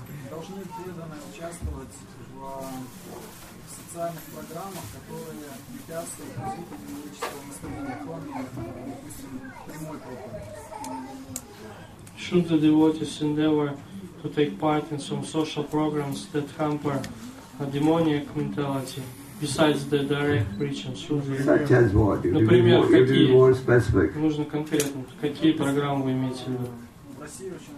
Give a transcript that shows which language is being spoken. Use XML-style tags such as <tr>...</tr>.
<ru>Должны преданные участвовать в социальных программах, которые препятствуют развитию демонического настроения, кроме, допустим, прямой проповеди.</ru> <en>Should the devotees endeavor to take part in some social programs that hamper a demonic mentality, besides the direct preaching? Such as what?</en> <ru>Например, какие? Нужно конкретно. Какие программы вы имеете в виду?</ru>